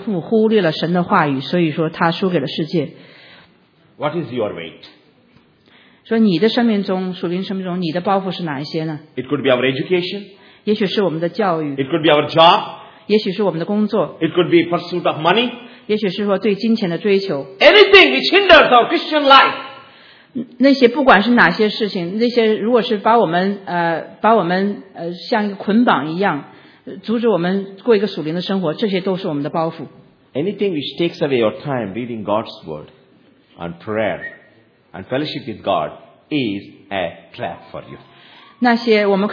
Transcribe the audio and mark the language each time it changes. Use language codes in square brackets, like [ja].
[zh] 他的父母忽略了神的话语，所以说他输给了世界。 [en] What is your weight? [zh] 说你的生命中，属灵生命中，你的包袱是哪一些呢？ [en] It could be our education. [zh] 也许是我们的教育。 [en] It could be our job. [zh] 也许是我们的工作。 [en] It could be pursuit of money. [zh] 也许是说对金钱的追求。 [en] Anything which hinders our Christian life. [zh] 那些不管是哪些事情，那些如果是把我们像捆绑一样，阻止我们过一个属灵的生活，这些都是我们的包袱。 [en] Anything which takes away your time reading God's word and prayer and fellowship with God is a trap for you.